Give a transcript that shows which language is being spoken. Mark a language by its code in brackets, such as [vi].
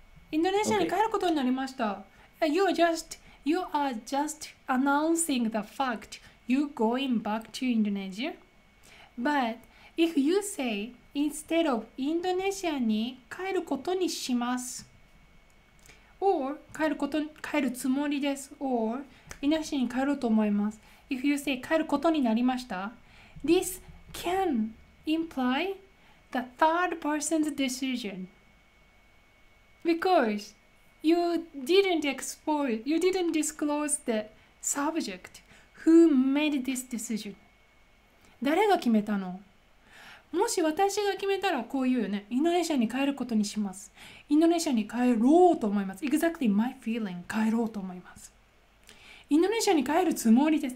[ja] インドネシアに帰ることになりました。 [en] You are just announcing the fact you're going back to Indonesia. But if you say instead of [ja] インドネシアに帰ることにします、帰るつもりです、インドネシアに帰ろうと思います。 [en] If you say [ja] 帰ることになりました、 [en] This can imply the third person's decision because you didn't disclose the subject who made this decision. [ja] 誰が決めたの？もし私が決めたらこう言うよね。インドネシアに帰ることにします。インドネシアに帰ろうと思います。 [en] Exactly my feeling. [ja] 帰ろうと思います。インドネシアに帰るつもりです。